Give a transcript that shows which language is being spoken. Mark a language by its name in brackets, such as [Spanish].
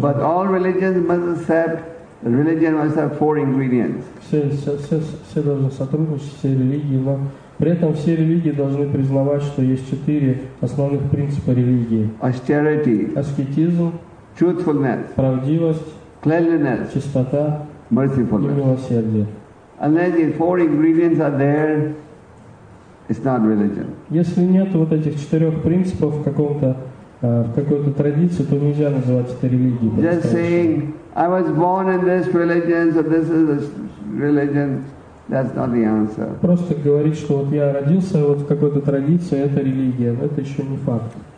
[English] But all religions must accept. Religion must have four ingredients. [Russian] Все должны сотрудничать, все религии, но при этом все религии должны признавать, что есть четыре основных принципа религии. [English] Austerity. [Russian] Аскетизм. [English] Truthfulness. [Russian] Правдивость. [English] Cleanliness. [Russian] Чистота. [English] Mercifulness. [Russian] И милосердие. [English] Unless these four ingredients are there, it's not religion. [Russian] Если нет вот этих четырех принципов в какой-то традиции, то нельзя называть это религией. [English] Just saying, I was born in this religion, so this is a religion. That's not the answer. [Russian] Просто говорить, что вот я родился вот в какой-то традиции, это религия, но это еще не факт.